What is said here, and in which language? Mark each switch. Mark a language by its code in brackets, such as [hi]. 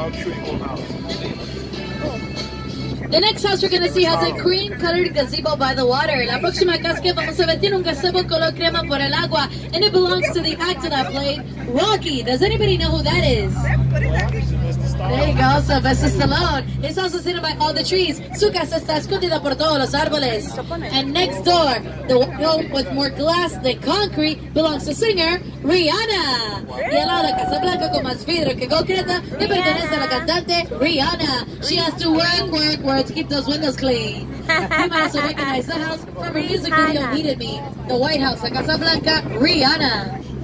[en] The next house we're going to see has a cream-colored gazebo by the water. [es] La próxima casa que vamos a ver tiene un gazebo color crema por el agua, [en] and it belongs to the actor that played Rocky. Does anybody know who that is? There you go, Sylvester Stallone. His house is hidden by all the trees. [es] Su casa está escondida por todos los árboles. [en] And next door, the home with more glass than concrete, belongs to singer Rihanna. [es] Y al lado de Casa Blanca con más vidrio que concreta, le pertenece a la cantante Rihanna. [en] She has to work to keep those windows clean. You might also recognize the house from her music video, Needed Me. The White House, [es] la Casa Blanca, [en] Rihanna.